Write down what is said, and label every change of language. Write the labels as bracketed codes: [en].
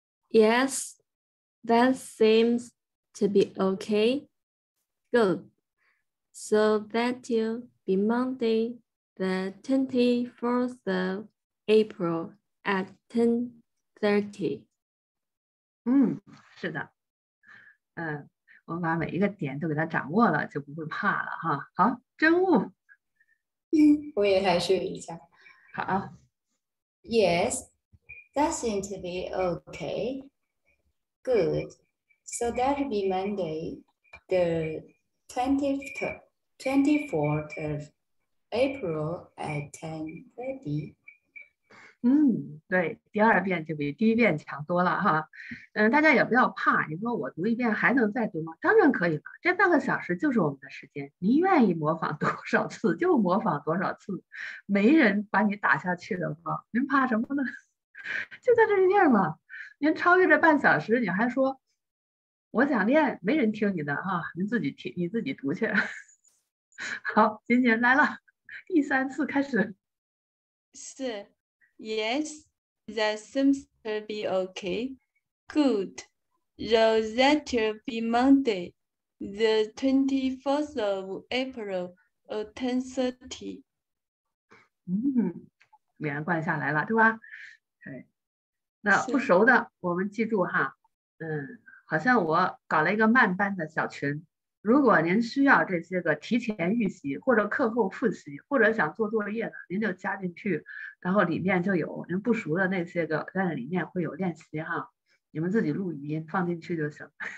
[en] Yes, that seems to be okay. Good. So that you. Be Monday, the 24th of April at 10:30. [zh] 嗯，是的。嗯，我们把每一个点都给它掌握了，就不会怕了哈。好，真物。我也来试一下。好。 [en] Yes, that seems to be okay. Good. So that will be Monday, the 24th of April at 10:30. [zh] 嗯，对，第二遍就比第一遍强多了哈。嗯，大家也不要怕，你说我读一遍还能再读吗？当然可以了，这半个小时就是我们的时间，你愿意模仿多少次就模仿多少次，没人把你打下去的话，您怕什么呢？就在这一遍嘛，您超越这半小时，你还说我想练，没人听你的哈，您自己听，你自己读去。好，今天来了，第三次开始。是。 [en] Yes, that seems to be okay. Good. So that will be Monday, the 24th of April, at 10:30. [zh] 嗯，连贯下来了，对吧？对。那不熟的，我们记住哈。嗯，好像我搞了一个慢班的小群。如果您需要这些个提前预习或者课后复习或者想做作业的，您就加进去，然后里面就有您不熟的那些个，但里面会有练习哈，你们自己录语音放进去就行。